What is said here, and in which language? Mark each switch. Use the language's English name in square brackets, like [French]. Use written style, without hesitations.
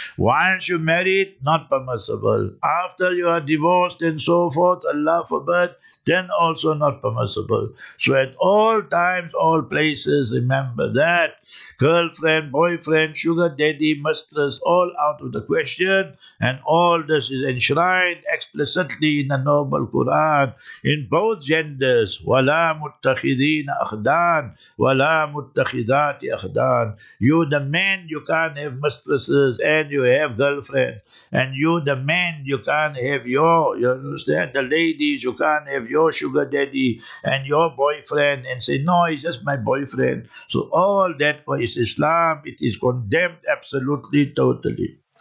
[English] Once you married, not permissible. After you are divorced and so forth, Allah forbid, then also not permissible. So at all times, all places, remember that. Girlfriend, boyfriend, sugar daddy, mistress, all out of the question. And all this is enshrined explicitly in the noble Quran. In both genders, [Arabic] وَلَا مُتَّخِذِينَ أَخْدَانَ وَلَا مُتَّخِذَاتِ أَخْدَانَ. [English] You the man, you can't have mistresses and you have girlfriends. And you the man, you can't have you understand? The ladies, you can't have your sugar daddy and your boyfriend and say, no, he's just my boyfriend. So all that for is Islam, it is condemned absolutely, totally.